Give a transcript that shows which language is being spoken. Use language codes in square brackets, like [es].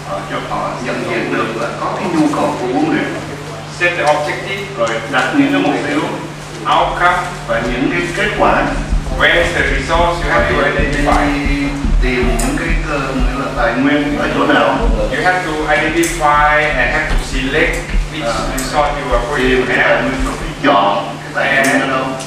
[vi] Cho họ nhận diện được là có cái nhu cầu của huấn luyện, [en] set the objective, [vi] rồi đặt những cái mục tiêu, [en] outcome [vi] và những cái kết quả, [en] where is the resource you have to identify, [vi] tìm những cái nghĩa là tài nguyên ở chỗ nào, [en] you have to identify and have to select which resource you are going to have, [vi] tìm cái tài nguyên, chọn cái tài nguyên ở đâu,